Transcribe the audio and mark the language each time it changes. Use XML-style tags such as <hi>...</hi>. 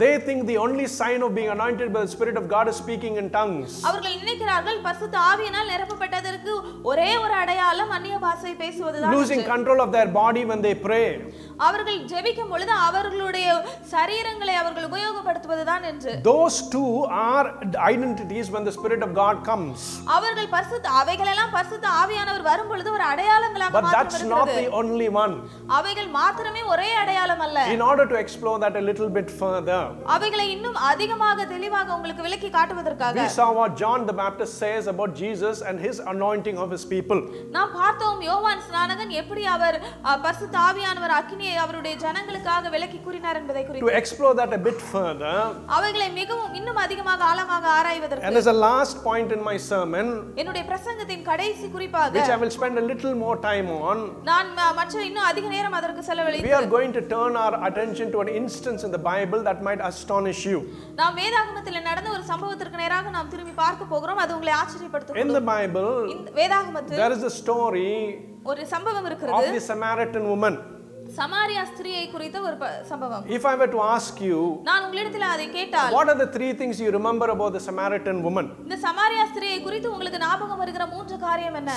<en>They think the only sign of being anointed by the Spirit of God is speaking in tongues.</en> <ta>அவர்கள் நினைக்கிறார்கள் பரிசுத்த ஆவியினால் நிரப்பப்பட்டதற்கு ஒரே ஒரு அடையாளம் அந்நிய பாஷை பேசுவதுதான்.</ta> <en>Losing control of their body when they pray.</en> <ta>அவர்கள் ஜெபிக்கும் பொழுது அவர்களுடைய சரீரங்களை அவர்கள் உபயோகப்படுத்துவதுதான் என்று.</ta> <en>Those two are identities when the Spirit of God comes.</en> <ta>அவர்கள் பரிசுத்த அவைகளெல்லாம் பரிசுத்த ஆவியானவர் வரும் பொழுது ஒரு அடையாளங்களாக மாற்றப்படும்.</ta> <en>But that's not the only one.</en> <ta>அவைகள் மாத்திரமே ஒரே அடையாளம் அல்ல.</ta> <en>In order to explore that a little bit further.</en> <ta>அவைகளை இன்னும் அதிகமாக தெளிவாக உங்களுக்கு விளக்கி காட்டுவதற்காக.</ta> <en>We saw what John the Baptist says about Jesus and his anointing of his people.</en> <ta>நாம் பார்த்தோம் யோவான் ஸ்நானகன் எப்படி அவர் பரிசுத்த ஆவியானவர் ஆக்கினார் அவருடைய ஜனங்களுக்காக விளக்கி கூறினார் என்பதை குறித்து.</ta> <en>To explore that a bit further.</en> <ta>அவைகளை மிகவும் இன்னும் அதிகமாக ஆழமாக ஆராய்வதற்கு.</ta> <en>And as a last point in my sermon.</en> <ta>என்னுடைய பிரசங்கத்தின் கடைசி குறிப்பாக.</ta> <en>Which I will spend a little more time on.</en> <ta>நான் மற்ற இன்னும் அதிக நேரம் அதற்கு செலவழித்து.</ta> <en>We are going to turn our attention to an instance in the Bible that might astonish you.</en> <ta>நாம் வேதாகமத்தில் நடந்த ஒரு சம்பவத்திற்கு நேராக நாம் திரும்பி பார்க்க போகிறோம். அது உங்களை ஆச்சரியப்படுத்தும்.</ta> <en>In the Bible.</en> <ta>வேதாகமத்தில்.</ta> <en>There is a story.</en> <ta>ஒரு சம்பவம் இருக்கிறது.</ta> <en>Of the Samaritan woman.</en> <ta>Samariya ஸ்திரியை குறித்த ஒரு சம்பவம்.</ta> <en>If I were to ask you,</en> <ta>நான் உங்களிடத்தில் அதை கேட்டால்,</ta> <en>what are the three things you remember about the Samaritan woman?</en> <ta>இந்த சமாரியா ஸ்திரியை குறித்து உங்களுக்கு ஞாபகம் வருகிற மூன்று காரியம் என்ன?</ta>